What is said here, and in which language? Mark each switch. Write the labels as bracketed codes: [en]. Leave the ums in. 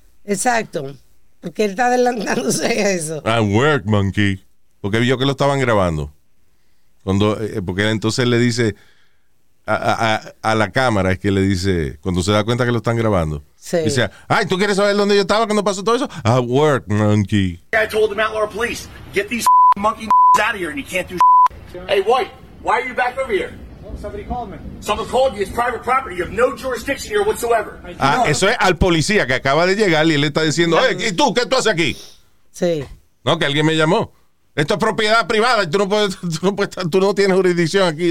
[es] Exacto. Porque él está adelantándose a eso. [en] At work, monkey. [es] Porque vio que lo estaban grabando. Cuando, porque entonces le dice... A, a, a, la cámara es que le dice, cuando se da cuenta que lo están grabando. Sí. Y dice, ay, ¿tú quieres saber dónde yo estaba cuando pasó todo eso? [en] I work, monkey. I told the Mount Laurel police, get these monkey out of here and you can't do shit. Hey, White, why are you back over here? Well, somebody called me. Someone called you. It's private property. You have no jurisdiction here whatsoever. [es] Ah, eso es al policía que acaba de llegar y le está diciendo, hey, yeah. ¿y tú qué tú haces aquí? Sí. No, que alguien me llamó. Esto es propiedad privada y tú no, puedes, tú no, puedes estar, tú no tienes jurisdicción aquí.